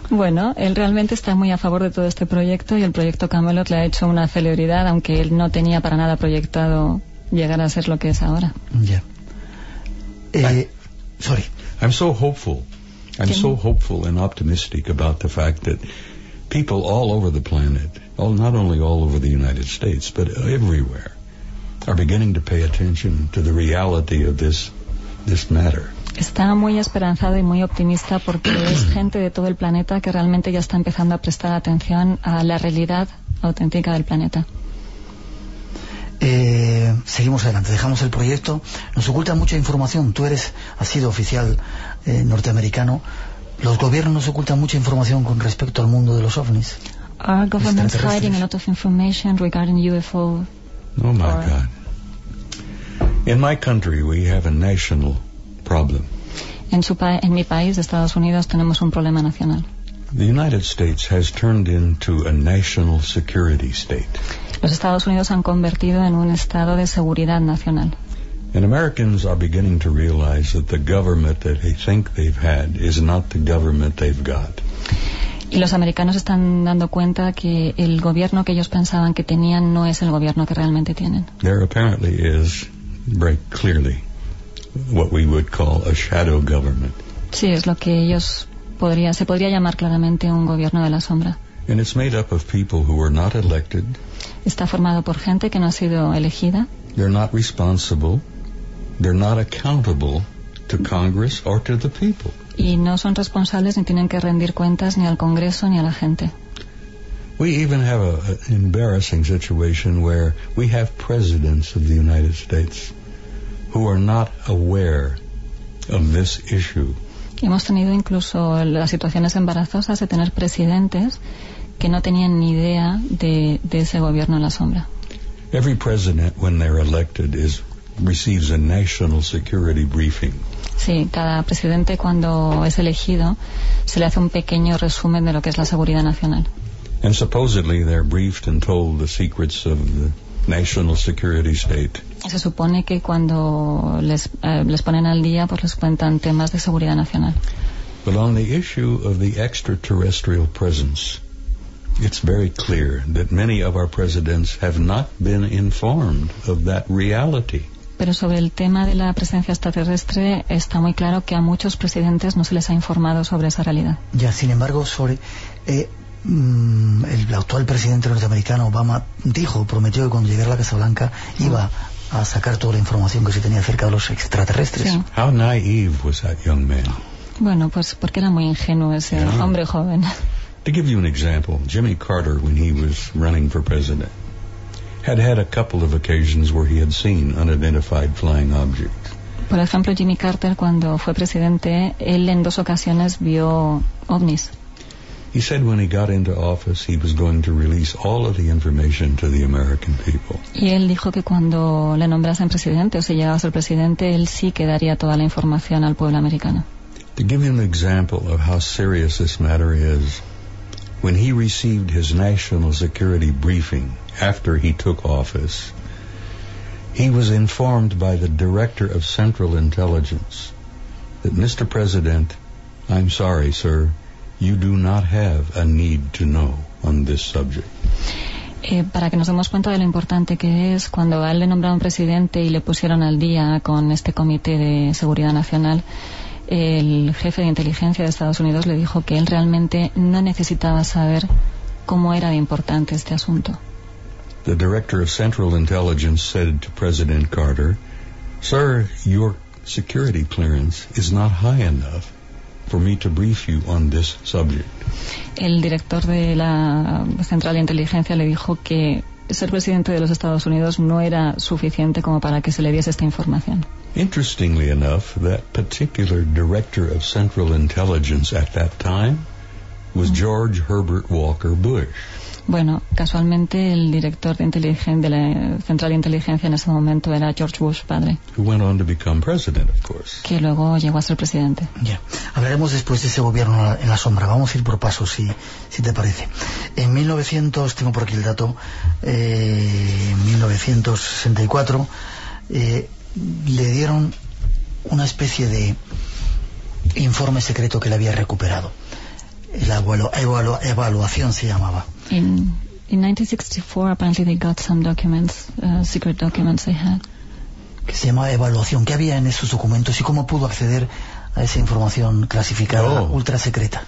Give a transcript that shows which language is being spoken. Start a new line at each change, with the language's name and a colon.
Spanish: Bueno, él realmente está muy a favor de todo este proyecto, y el proyecto Camelot le ha hecho una celebridad, aunque él no tenía para nada proyectado llegar a ser lo que es ahora.
English: Yeah. Sorry. I'm so hopeful. I'm so hopeful and optimistic about the fact that people all over the planet, not only all over the United States, but everywhere, are beginning to pay attention to the reality of this matter.
Spanish: Está muy esperanzado y muy optimista porque es gente de todo el planeta que realmente ya está empezando a prestar atención a la realidad auténtica del planeta. Seguimos adelante, dejamos el proyecto. Nos oculta mucha información. Tú eres, has sido oficial norteamericano. Los gobiernos nos ocultan mucha información con respecto al mundo de los ovnis.
English: Our government's hiding a lot of information regarding UFO. Oh my God. In my country, we have a national problem.
Spanish: En mi país, Estados Unidos, tenemos un problema nacional.
English: The United States has turned into a national security state.
Spanish: Los Estados Unidos han convertido en un estado de seguridad nacional.
English: And Americans are beginning to realize that the government that they think they've had is not the government they've got.
Spanish: Y los americanos están dando cuenta que el gobierno que ellos pensaban que tenían no es el gobierno que realmente tienen.
English: There apparently is, very clearly, what we would call a shadow government.
Spanish: Sí, es lo que ellos se podría llamar claramente un gobierno de la sombra.
English: And it's made up of people who were not elected.
Spanish: Está formado por gente que no ha sido elegida.
English: They're not responsible. They're not accountable to Congress or to the people.
Spanish: Y no son responsables ni tienen que rendir cuentas ni al Congreso ni a la gente.
English: We even have an embarrassing situation where we have presidents of the United States who are not aware of this issue.
Spanish: Hemos tenido incluso las situaciones embarazosas de tener presidentes que no tenían ni idea de ese gobierno en la sombra.
English: Every president, when they're elected, receives a national security briefing.
Spanish: Sí, cada presidente cuando es elegido se le hace un pequeño resumen de lo que es la seguridad nacional.
English: And supposedly they're briefed and told the secrets of the national security state.
Spanish: Se supone que cuando les ponen al día, pues les cuentan temas de seguridad nacional.
English: But on the issue of the extraterrestrial presence, it's very clear that many of our presidents have not been informed of that reality.
Spanish: Pero sobre el tema de la presencia extraterrestre está muy claro que a muchos presidentes no se les ha informado sobre esa realidad. Ya, sin embargo, sobre el actual presidente norteamericano Obama prometió que cuando llegara a la Casa Blanca iba a sacar toda la información que se tenía acerca de los extraterrestres. Sí.
English: How naive was that young man?
Spanish: Bueno, pues porque era muy ingenuo ese hombre joven.
English: To give you an example, Jimmy Carter, when he was running for president, had a couple of occasions where he had seen unidentified flying objects.
Spanish: Por ejemplo, Jimmy Carter, cuando fue presidente, él en dos ocasiones vio ovnis.
English: He said when he got into office, he was going to release all of the information to the American people.
Spanish: Y él dijo que cuando le nombrasen presidente, o si llegaba a ser presidente, él sí que daría toda la información al pueblo americano.
English: To give you an example of how serious this matter is, when he received his national security briefing after he took office, he was informed by the director of Central Intelligence that, Mr. President, I'm sorry, sir, you do not have a need to know on this subject.
Spanish: Para que nos demos cuenta de lo importante que es, cuando a él le nombraron presidente y le pusieron al día con este Comité de Seguridad Nacional, el jefe de inteligencia de Estados Unidos le dijo que él realmente no necesitaba saber cómo era de importante este asunto.
English: The director of Central Intelligence said to President Carter, "Sir, your security clearance is not high enough for me to brief you on this subject."
Spanish: El director de la Central de Inteligencia le dijo que ser presidente de los Estados Unidos no era suficiente como para que se le diese esta información.
English: Interestingly enough, that particular director of Central Intelligence at that time was George Herbert Walker Bush.
Spanish: Bueno, casualmente el director de inteligencia de la Central de Inteligencia en ese momento era George Bush, padre.
English: Who went on to become president, of course.
Spanish: Que luego llegó a ser presidente. Ya. Hablaremos después de ese gobierno en la sombra. Vamos a ir por pasos, si te parece. En 1900, tengo por aquí el dato, en 1964, le dieron una especie de informe secreto que le había recuperado. La evaluación se llamaba.
English: In 1964, apparently they got some documents, secret documents they had.
Spanish: Que se llamaba evaluación. ¿Qué había en esos documentos y cómo pudo acceder a esa información clasificada, ultra secreta?